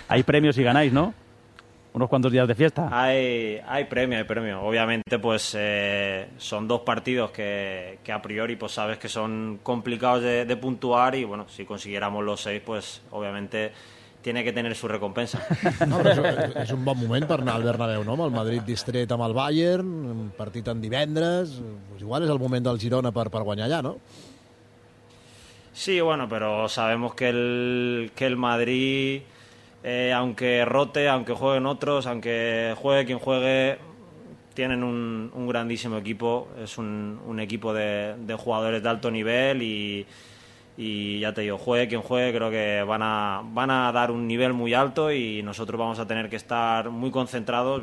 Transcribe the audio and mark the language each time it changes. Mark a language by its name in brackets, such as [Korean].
[Spanish] Hay premios si ganáis, ¿no? Unos cuantos días de fiesta. Hay premio. Obviamente, pues son dos partidos que a priori pues sabes que son complicados de puntuar, y bueno, si consiguiéramos los seis, pues obviamente tiene que tener su recompensa. [Catalan] No, però és un bon moment per anar al Bernabéu, no? Amb el Madrid distret amb el Bayern, un partit en divendres, pues igual és el moment del Girona per guanyar allà, no? [Spanish] Sí, bueno, pero sabemos que el Madrid, aunque rote, aunque jueguen otros, aunque juegue quien juegue, tienen un grandísimo equipo. Es un equipo de jugadores de alto nivel y ya te digo, juegue quien juegue, creo que van a dar un nivel muy alto y nosotros vamos a tener que estar muy concentrados.